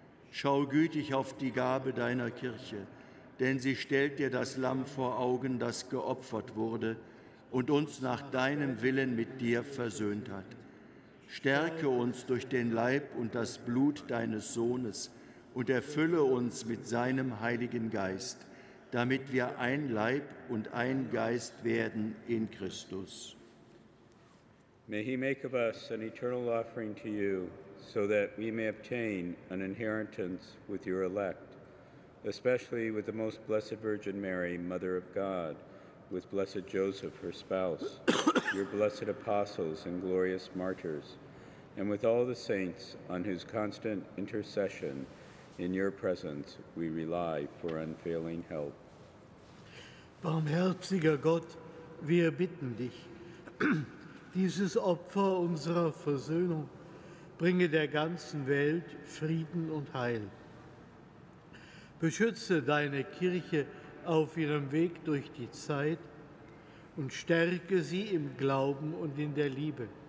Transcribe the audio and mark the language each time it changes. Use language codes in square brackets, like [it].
[de] Schau gütig auf die Gabe deiner Kirche, denn sie stellt dir das Lamm vor Augen, das geopfert wurde und uns nach deinem Willen mit dir versöhnt hat. Stärke uns durch den Leib und das Blut deines Sohnes, und erfülle uns mit seinem Heiligen Geist, damit wir ein Leib und ein Geist werden in Christus. [en] May he make of us an eternal offering to you, so that we may obtain an inheritance with your elect, especially with the most blessed Virgin Mary, Mother of God, with blessed Joseph, her spouse, your blessed apostles and glorious martyrs, and with all the saints on whose constant intercession in your presence we rely for unfailing help. [de] Barmherziger Gott, wir bitten dich, dieses Opfer unserer Versöhnung bringe der ganzen Welt Frieden und Heil. Beschütze deine Kirche auf ihrem Weg durch die Zeit und stärke sie im Glauben und in der Liebe.